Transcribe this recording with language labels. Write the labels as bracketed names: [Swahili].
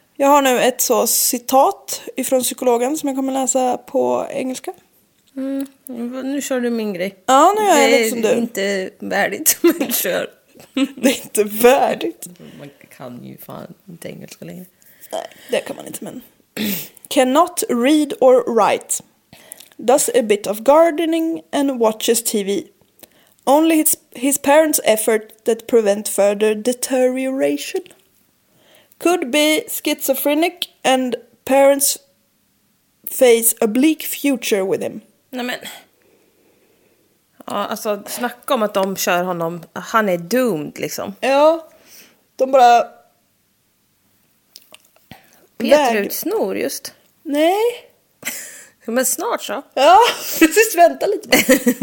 [Swedish] Jag har nu ett så citat ifrån psykologen som jag kommer läsa på engelska. Mm. Nu kör du min grej. Ja, nu gör jag lite som du. Det är inte värdigt som jag kör. Det är inte värdigt. Man kan ju fan inte engelska längre. Nej, det kan man inte, men. [English] Cannot read or write. Does a bit of gardening and watches TV. Only his parents' effort that prevent further deterioration. Could be schizophrenic and parents face a bleak future with him. [Swedish] Nej men. Ja, alltså snacka om att de kör honom. Han är doomed liksom. Ja. De bara Peter ut snor just. Nej. Men snart så. Ja, precis, vänta lite.